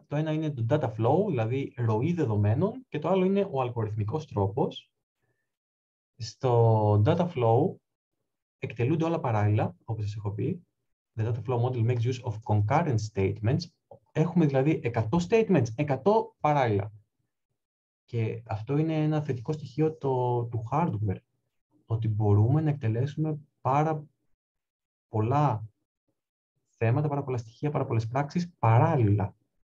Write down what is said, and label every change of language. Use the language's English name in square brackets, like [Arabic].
[Greek] Το ένα είναι το data flow, δηλαδή ροή δεδομένων, και το άλλο είναι ο αλγοριθμικός τρόπος. Στο data flow εκτελούνται όλα παράλληλα, όπως σας έχω πει. [English] The data flow model makes use of concurrent statements. [Greek] Έχουμε δηλαδή 100 statements, 100 παράλληλα. Και αυτό είναι ένα θετικό στοιχείο του hardware, ότι μπορούμε να εκτελέσουμε πάρα πολλά θέματα, πάρα πολλά στοιχεία, πάρα πολλές πράξεις παράλληλα.